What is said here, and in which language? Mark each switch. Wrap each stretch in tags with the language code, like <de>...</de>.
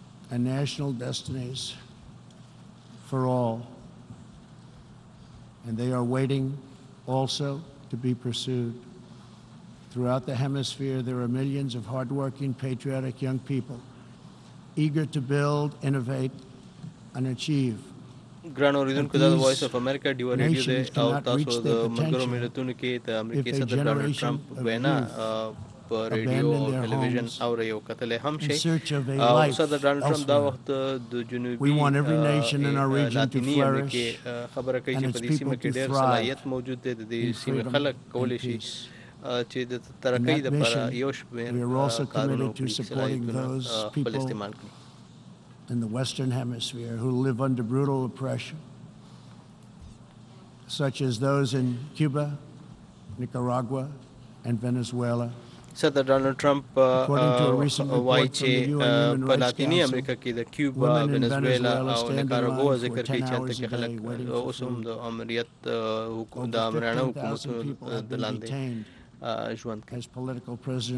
<en>And national destinies for all, and they are waiting also to be pursued. Throughout the hemisphere, there are millions of hardworking, patriotic young people eager to build, innovate, and achieve.</en> <ps>ګران اوریدونکو د وایس اف امریکا ډیو ریډیو دی او تاسو د ملګرو ملتونو کې د امریکای صدر ډونالډ ټرمپ وینا په ریډیو او ټلویزیون او یو کتلې هم شي. او صدر ډونالډ ټرمپ دا وخت د جنوبي لاتینی امریکا خبره کوي چې په دې سیمه کې ډېر صلاحیت موجود دی، د دې سیمې خلک کولی شي چې د ترقۍ لپاره یو شمېر کارونه وکړي خپل استعمال کړي.</ps> <en>In the Western Hemisphere, who live under brutal oppression, such as those in Cuba, Nicaragua, and Venezuela.</en> <ps>صدر ډونلډ ټرمپ وایي چې په لاتینی امریکا کې د کیوبا، وینزویلا او نیکاراګوا ذکر کوي چې هلته کې خلک اوس هم د امریت د امریانه حکومت د لاندې ژوند</ps>